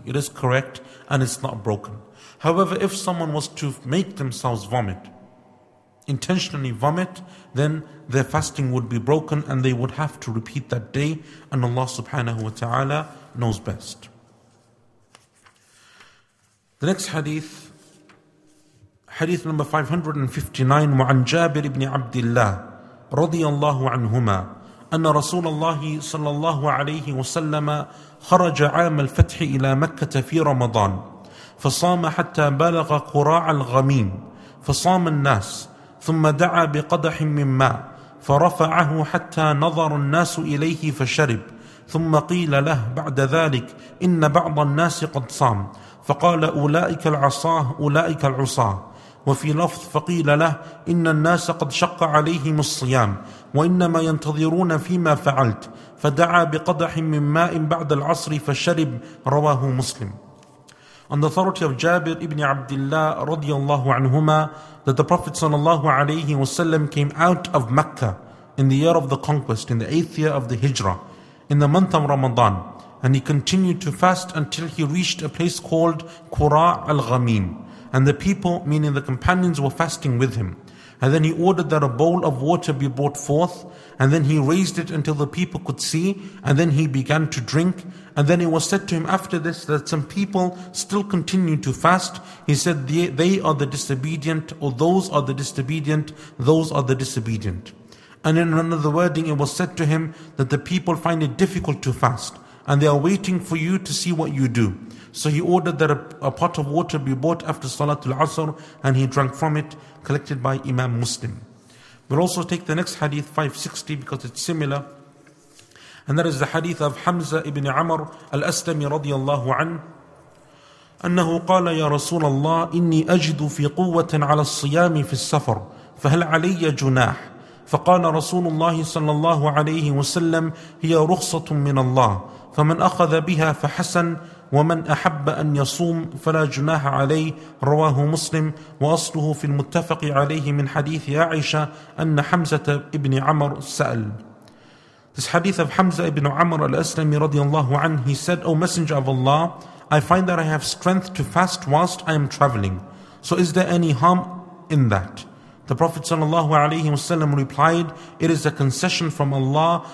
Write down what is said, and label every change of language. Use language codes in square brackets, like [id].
[en] It is correct and it's not broken. However, if someone was to make themselves vomit, intentionally vomit, then their fasting would be broken and they would have to repeat that day, and Allah subhanahu wa ta'ala knows best. The next hadith, hadith number 559, [ar] وعن جابر بن عبد الله رضي الله عنهما أن رسول الله صلى الله عليه وسلم خرج عام الفتح إلى مكة في رمضان فصام حتى بلغ قراع الغميم فصام الناس ثم دعا بقدح من ماء فرفعه حتى نظر الناس إليه فشرب ثم قيل له بعد ذلك إن بعض الناس قد صام فقال أولئك العصاة أولئك العصاة وفي لفظ فقيل له إن الناس قد شق عليهم الصيام وإنما ينتظرون فيما فعلت فدعا بقدح من ماء بعد العصر فشرب رواه مسلم. [en] On the authority of Jabir ibn Abdullah radiyallahu anhuma, that the Prophet sallallahu alayhi wa sallam came out of Mecca in the year of the conquest, in the 8th year of the Hijrah, in the month of Ramadan, and he continued to fast until he reached a place called Qura al-Ghamim. And the people, meaning the companions, were fasting with him. And then he ordered that a bowl of water be brought forth, and then he raised it until the people could see, and then he began to drink. And then it was said to him after this that some people still continue to fast. He said, they are the disobedient, or those are the disobedient, those are the disobedient. And in another wording, it was said to him that the people find it difficult to fast, and they are waiting for you to see what you do. So he ordered that a pot of water be brought after Salatul Asr, and he drank from it, collected by Imam Muslim. We'll also take the next hadith, 560, because it's similar. And that is the hadith of Hamza ibn Amr al-Aslami radiyallahu an, [ar] أنه قال يا رسول الله إني أجد في قوة على الصيام في السفر فهل علي جناح؟ فقال رسول الله صلى الله عليه وسلم هي رخصة من الله فمن أخذ بها فحسن وَمَنْ أَحَبَّ أَنْ يَصُومْ فَلَا جُنَاحَ عَلَيْهِ رواه مسلم وأصله في المتفق عليه من حديث عائشة أن حمزة ابن عمر سأل. [en] This hadith of Hamza ibn Amr al-Aslami radiyallahu anhu, he said, O Messenger of Allah, I find that I have strength to fast whilst I am traveling. So is there any harm in that? The Prophet sallallahu alayhi wa sallam replied, it is a concession from Allah.